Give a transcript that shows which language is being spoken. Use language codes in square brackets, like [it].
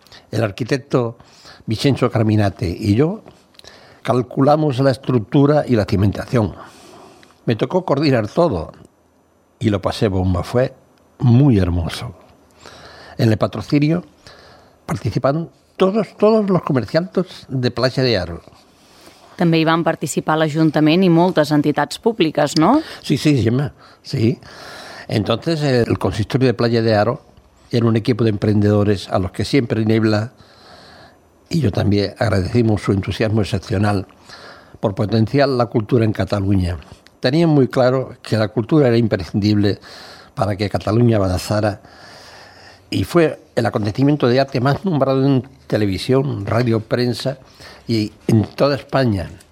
[es] El arquitecto Vicenzo Carminate y yo calculamos la estructura y la cimentación. Me tocó coordinar todo y lo pasé bomba. Fue muy hermoso. En el patrocinio participaron todos los comerciantes de Playa de Aro. [ca] També hi van participar l'Ajuntament i moltes entitats públiques, no? Sí, sí, Gemma, sí. [es] Entonces, el consistorio de Playa de Aro era un equipo de emprendedores a los que siempre Niebla y yo también agradecimos su entusiasmo excepcional por potenciar la cultura en Cataluña. Tenían muy claro que la cultura era imprescindible para que Cataluña avanzara y fue el acontecimiento de arte más nombrado en televisión, radio, prensa y en toda España.